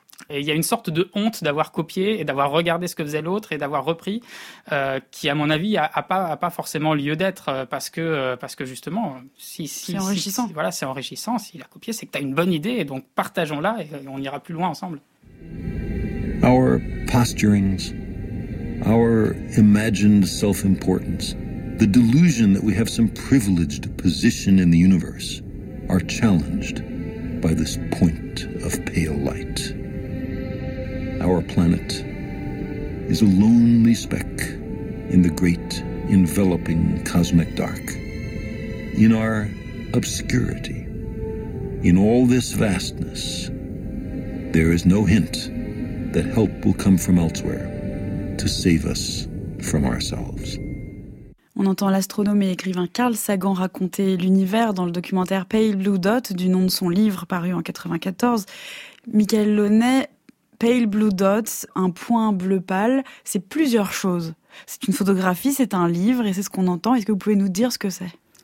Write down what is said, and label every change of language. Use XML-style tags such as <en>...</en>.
<fr>Et il y a une sorte de honte d'avoir copié et d'avoir regardé ce que faisait l'autre et d'avoir repris, qui, à mon avis, a pas forcément lieu d'être, parce que justement, si c'est enrichissant. Si, voilà, c'est enrichissant. S'il a copié, c'est que tu as une bonne idée, et donc partageons-la et on ira plus loin ensemble.</fr> <en>Our posturings, our imagined self-importance, the delusion that we have some privileged position in the universe are challenged by this point of pale light. Our planet is a lonely speck in the great enveloping cosmic dark. In our obscurity, in all this vastness, there is no hint that help will come from elsewhere to save us from ourselves.</en> <fr>On entend l'astronome et écrivain Carl Sagan raconter l'univers dans le documentaire Pale Blue Dot, du nom de son livre paru en 1994. Michael Launay, Pale Blue Dots, un point bleu pâle, c'est plusieurs choses. C'est une photographie, c'est un livre et c'est ce qu'on entend. Est-ce que vous pouvez nous dire ce que c'est?</fr>